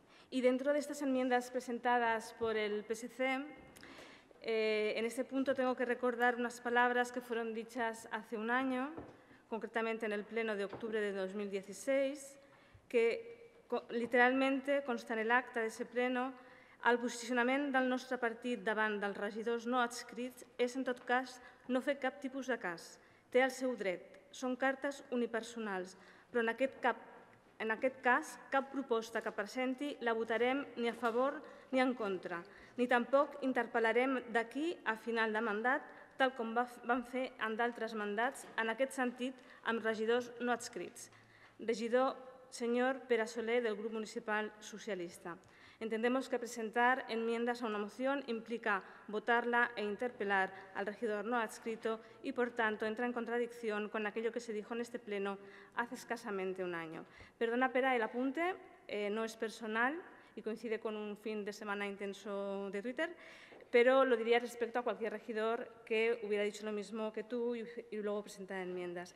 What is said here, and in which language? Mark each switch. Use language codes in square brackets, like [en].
[es] Y dentro de estas enmiendas presentadas por el PSC, en este punto tengo que recordar unas palabras que fueron dichas hace un año, concretamente en el Pleno de octubre de 2016, que literalmente consta en el acta de ese Pleno: [ca] el posicionament del nostre partit davant dels regidors no adscrits és, en tot cas, no fer cap tipus de cas. Té el seu dret. Són cartes unipersonals, però en aquest cas, cap proposta que presenti la votarem ni a favor ni en contra, ni tampoc interpel·larem d'aquí a final de mandat, tal com vam fer en d'altres mandats, en aquest sentit, amb regidors no adscrits. Regidor senyor Pere Soler, del grup municipal socialista. [es] Entendemos que presentar enmiendas a una moción implica votarla e interpelar al regidor no adscrito y, por tanto, entra en contradicción con aquello que se dijo en este pleno hace escasamente un año. Perdona, Pera, el apunte no es personal y coincide con un fin de semana intenso de Twitter, pero lo diría respecto a cualquier regidor que hubiera dicho lo mismo que tú y luego presentara enmiendas.